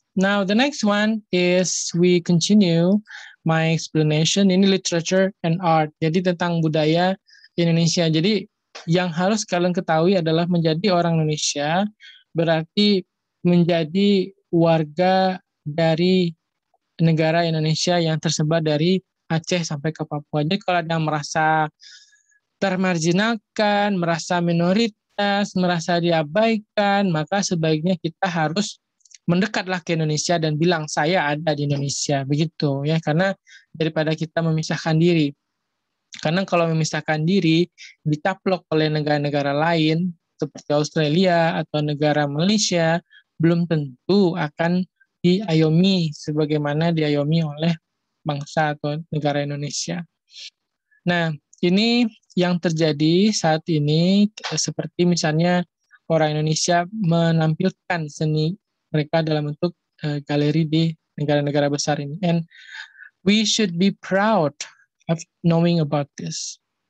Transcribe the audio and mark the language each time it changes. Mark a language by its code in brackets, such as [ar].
[en] Now the next one is we continue my explanation. [id] Ini [en] literature and art. [id] Jadi tentang budaya Indonesia. Jadi yang harus kalian ketahui adalah menjadi orang Indonesia berarti menjadi warga dari negara Indonesia yang tersebar dari Aceh sampai ke Papua. Jadi kalau ada yang merasa termarginalkan, merasa minoritas, merasa diabaikan, maka sebaiknya kita harus mendekatlah ke Indonesia dan bilang, saya ada di Indonesia, begitu ya. Karena daripada kita memisahkan diri. Karena kalau memisahkan diri, ditaplok oleh negara-negara lain, seperti Australia atau negara Malaysia, belum tentu akan diayomi sebagaimana diayomi oleh bangsa atau negara Indonesia. Nah, ini yang terjadi saat ini, seperti misalnya orang Indonesia menampilkan seni mereka dalam bentuk galeri di negara-negara besar ini. [en] And we should be proud of knowing about this.